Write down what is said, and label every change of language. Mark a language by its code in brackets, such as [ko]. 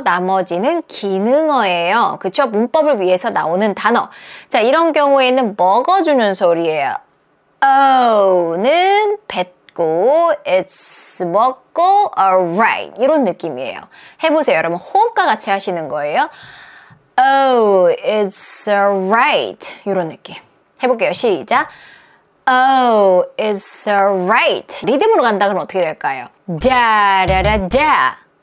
[ko] 나머지는 기능어예요. 그렇죠? 문법을 위해서 나오는 단어. 자, 이런 경우에는 먹어주는 소리예요. Oh는 뱉고, it's 먹고, alright 이런 느낌이에요. 해보세요. 여러분 호흡과 같이 하시는 거예요. [en] Oh, it's alright [ko] 이런 느낌. 해볼게요. 시작. [en] Oh, it's alright. [ko] 리듬으로 간다 그러면 어떻게 될까요? 다라라다.